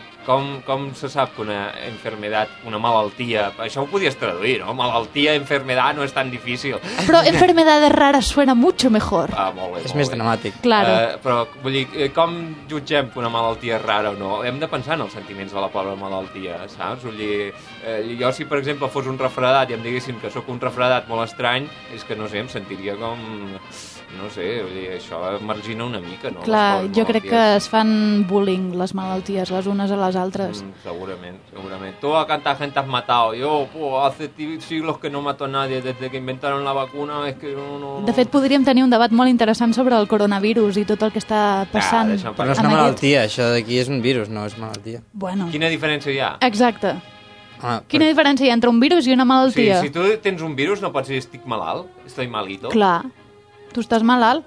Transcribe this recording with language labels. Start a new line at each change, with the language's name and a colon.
Catalan: Com se sap que una enfermedad, una malaltia... Això ho podies traduir, no? Malaltia, enfermedad, no és tan difícil.
Spanish: Però enfermedades rares suena mucho mejor.
Catalan: Ah, molt bé. És més dramàtic.
Spanish: Claro.
Catalan: Però, vull dir, com jutgem que una malaltia és rara o no? Hem de pensar en els sentiments de la pobra malaltia, saps? Vull dir, jo si, per exemple, fos un refredat i em diguessin que sóc un refredat molt estrany, és que, no sé, em sentiria com... no sé, vull dir, això margina una mica, no? Clar, jo crec que es fan bullying les malalties les unes a les altres. Segurament. Tu, a quanta gent has matat?
Spanish: Jo, hace siglos que no mato a nadie, desde que inventaron la vacuna, es que no...
Catalan: De fet, podríem tenir un debat molt interessant sobre el coronavirus i tot el que està passant. Però no és una malaltia, això d'aquí és un virus, no és malaltia. Bueno. Quina diferència hi ha? Exacte. Quina diferència hi ha entre un virus i una malaltia? Sí, si tu tens un virus no pots dir estic malalt,
Spanish: estoy malito.
Catalan: Clar, tu estàs malalt.